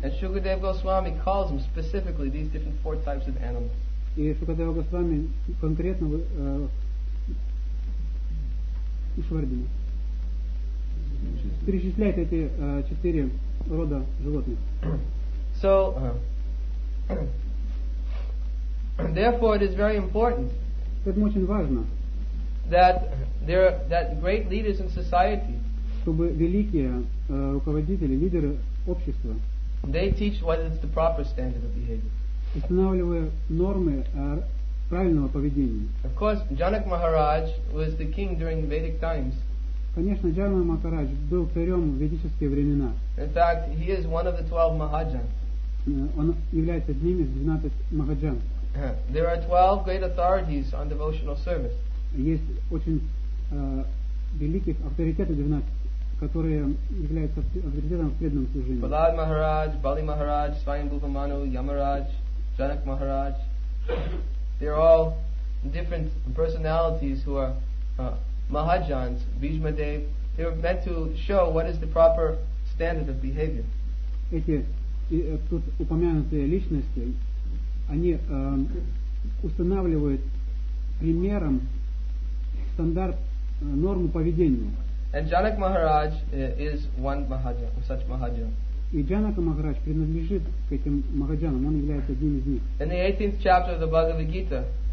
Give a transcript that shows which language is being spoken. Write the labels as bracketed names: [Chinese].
[English] And Shukadeva Goswami calls them specifically these different four types of animals. [Russian] И Шукадева Госвами конкретно ушвардина перечисляет эти четыре рода животных. [English] So therefore it is very important that great leaders in society, [Russian] чтобы великие руководители, лидеры общества, [English] they teach what is the proper standard of behavior. [Russian] Устанавливая нормы правильного поведения. [English] Of course, Janak Maharaj was the king during Vedic times. [Russian] Конечно, Джанак Махарадж был царем в ведические времена. [English] In fact, he is one of the 12 Mahajan. [Russian] Он является одним из 12 Mahajan. [English] There are 12 great authorities on devotional service. [Russian] Есть очень великих авторитетов 12, которые являются авторитетом в преданном служении. Палад Махарадж, Бали Махарадж, Свайамбхува Ману, Ямарадж, Джанак Махарадж. [English] They're all different personalities who are Mahajans, Bhishma Dev. They were meant to show what is the proper standard of behavior. [Russian] Эти тут упомянутые личности, они устанавливают примером стандарт, норму поведения. [English] And Janak Maharaj is one Mahajan, such Mahajan. [Russian] И Джанака Махарадж принадлежит к этим Махаджанам, он является одним из них. [English] In the 18th chapter of the Bhagavad Gita,